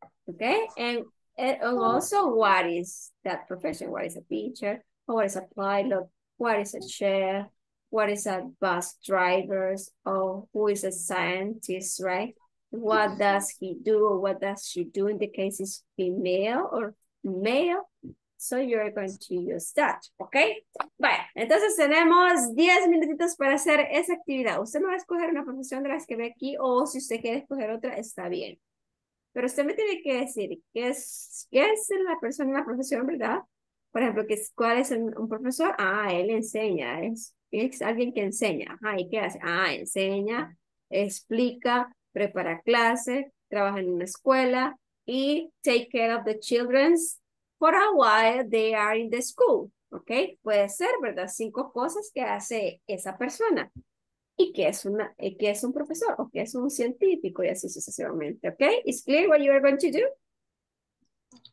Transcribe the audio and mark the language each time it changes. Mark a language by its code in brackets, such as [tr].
[en] Okay? And also, what is that profession? What is a teacher? What is a pilot? What is a chair? What is a bus driver? Or who is a scientist, right? What does he do? Or what does she do in the case is female or male? So you're going to use that, okay? [es] Bueno, entonces tenemos 10 minutitos para hacer esa actividad. Usted me va a escoger una profesión de las que ve aquí, o si usted quiere escoger otra, está bien. Pero usted me tiene que decir qué es la persona, la profesión, ¿verdad? Por ejemplo, ¿cuál es un profesor? Ah, él enseña. Es alguien que enseña. Ajá, ¿y qué hace? Ah, enseña, explica, prepara clase, trabaja en una escuela y [en] take care of the children for a while they are in the school. [es] ¿Ok? Puede ser, ¿verdad? 5 cosas que hace esa persona. ¿Y qué es un profesor o qué es un científico y así sucesivamente? [en] Okay, is clear what you are going to do?